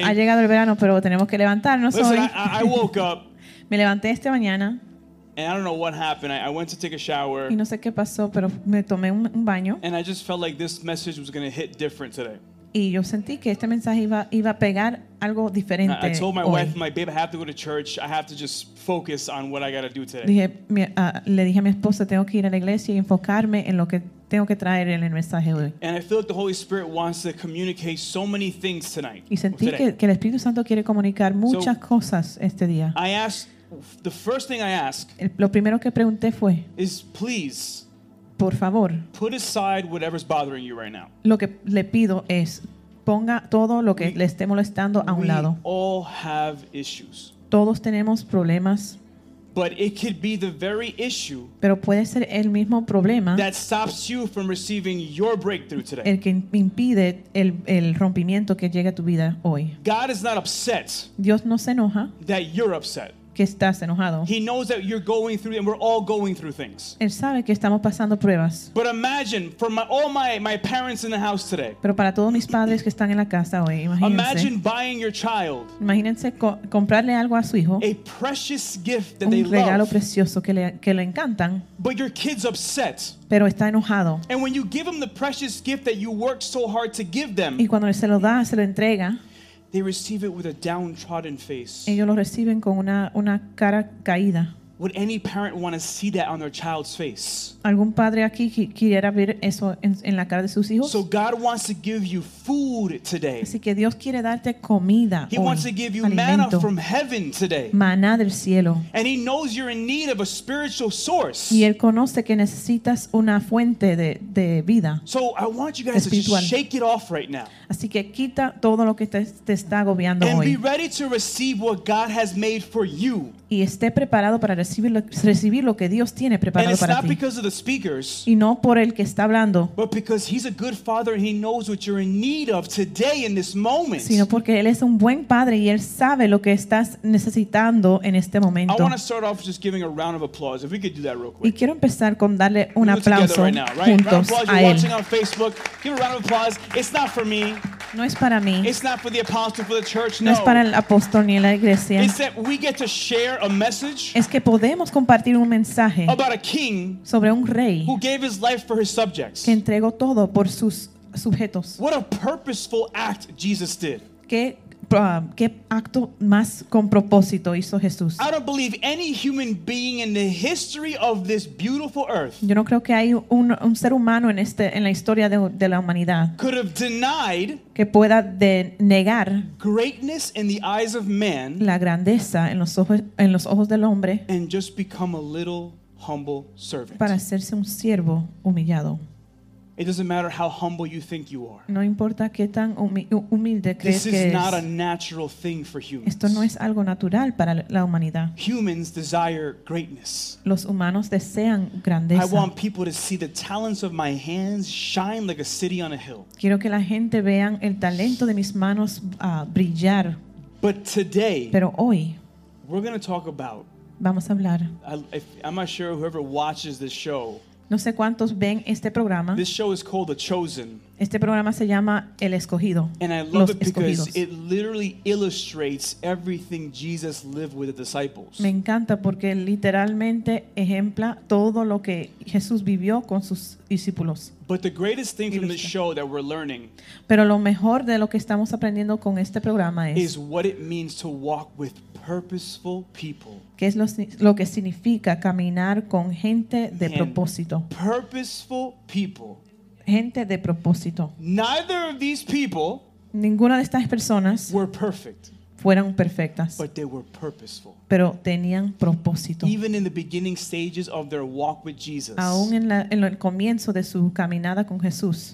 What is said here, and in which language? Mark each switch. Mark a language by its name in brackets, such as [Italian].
[Spanish] Ha llegado el verano, pero tenemos que levantarnos hoy. [English] I woke up. [Spanish] Me levanté esta mañana. [English] And I don't know what happened. I went to take a shower. [Spanish] Y no sé qué pasó, pero me tomé un baño. [English] And I just felt like this message was going to hit different today. [Spanish] Y yo sentí que este mensaje iba a pegar algo diferente hoy. [English] I told my [Spanish] hoy. [English] Wife, my babe, I have to go to church. I have to just focus on what I got to do today. [Spanish] Le dije a mi esposa, tengo que ir a la iglesia y enfocarme en lo que tengo que traer en el mensaje hoy. [English] And I feel like the Holy Spirit wants to communicate so many things tonight. [Spanish] Y sentí que el Espíritu Santo quiere comunicar muchas cosas este día. [English] The first thing I ask [Spanish] lo primero que pregunté fue, [English] is please, [Spanish] por favor, [English] put aside whatever's bothering you right now. [Spanish] Lo que le pido es ponga todo lo que le esté molestando a un lado. [English] We all have issues. [Spanish] Todos tenemos problemas. [English] But it could be the very issue, [Spanish] pero puede ser el mismo problema, [English] that stops you from receiving your breakthrough today. [Spanish] El que impide el rompimiento que llegue a tu vida hoy. [English] God is not upset. [Spanish] Dios no se enoja. [English] That you're upset. [Spanish] Que estás enojado. [English] He knows that you're going through, and we're all going through things. [Spanish] Él sabe que estamos pasando pruebas. [English] But imagine for all my parents in the house today. [Spanish] Pero para todos mis padres que están en la casa hoy, imagínense. [English] Imagine buying your child. [Spanish] Imagínense comprarle algo a su hijo. [English] A precious gift that they love. [Spanish] Un regalo precioso que le encantan. [English] But your kid's upset. [Spanish] Pero está enojado. [English] And when you give them the precious gift that you worked so hard to give them. [Spanish] Y cuando se lo da, se lo entrega. [English] They receive it with a downtrodden face. [Spanish] Ellos lo reciben con una cara caída. [English] Would any parent want to see that on their child's face? [Spanish] ¿Algún padre aquí quisiera ver eso en la cara de sus hijos? [English] So God wants to give you food today. [Spanish] Así que Dios quiere darte comida hoy. [English] He wants to give you [Spanish] alimento. [English] Manna from heaven today. [Spanish] Maná del cielo. [English] And he knows you're in need of a spiritual source. [Spanish] Y él conoce que necesitas una fuente de vida. [English] So I want you guys [Spanish] espiritual. [English] To shake it off right now. [Spanish] Así que quita todo lo que te está agobiando [English] and [Spanish] hoy. [English] And be ready to receive what God has made for you. [Spanish] Y esté preparado para recibir lo que Dios tiene preparado para ti. [English] Because of the speakers, [Spanish] y no por el que está hablando. [English] But because he's a good father and he knows what you're in need of today in this moment. [Spanish] Sino porque él es un buen padre y él sabe lo que estás necesitando en este momento. [English] I want to start off just giving a round of applause if we could do that real quick. [Spanish] Y quiero empezar con darle un aplauso juntos a él. [English] Watching on Facebook, give a round of applause. It's not for me. [Spanish] No es para mí. [English] It's not for the apostle, for the church, [Spanish] no. No es para el apóstol ni la iglesia. [English] It's that we get to share a message. [Spanish] Es que podemos compartir un mensaje [English] about a king [Spanish] sobre un rey [English] who gave his life for his subjects. [Spanish] Que entregó todo por sus sujetos. [English] What a purposeful act Jesus did. [Spanish] ¿Qué acto más con propósito hizo Jesús? [English] I don't believe any human being in the history of this beautiful earth. [Spanish] Yo no creo que hay un ser humano en la historia de la humanidad. [English] Could have denied [Spanish] que pueda de negar [English] greatness in the eyes of man. [Spanish] La grandeza en los ojos del hombre. [English] And just become a little humble servant. [Spanish] Para hacerse un siervo humillado. [English] It doesn't matter how humble you think you are. [Spanish] No importa qué tan humilde crees que eres. [English] This is not a natural thing for humans. [Spanish] Esto no es algo natural para la humanidad. [English] Humans desire greatness. [Spanish] Los humanos desean grandeza. [English] I want people to see the talents of my hands shine like a city on a hill. [Spanish] Quiero que la gente vean el talento de mis manos brillar. [English] But today, [Spanish] pero hoy, [English] we're going to talk about. [Spanish] Vamos a hablar. [English] I'm not sure whoever watches this show. [Spanish] No sé cuántos ven este programa. [English] This show is called The Chosen. [Spanish] Este programa se llama El Escogido. [English] And I love it because it literally illustrates everything Jesus lived with the disciples. [Spanish] Me encanta porque literalmente ejempla todo lo que Jesús vivió con sus discípulos. [English] But the greatest thing from the show that we're learning, [Spanish] pero lo mejor de lo que estamos aprendiendo con este programa es, [English] is what it means to walk with purposeful people. [Spanish] ¿Qué es lo que significa caminar con gente de propósito? [English] Purposeful people. [Spanish] Gente de propósito. [English] Neither of these people, [Spanish] ninguna de estas personas, [English] were perfect. [Spanish] Fueron perfectas. [English] But they were purposeful. [Spanish] Pero tenían propósito. [English] Even in the beginning stages of their walk with Jesus. [Spanish] Aún en el comienzo de su caminada con Jesús.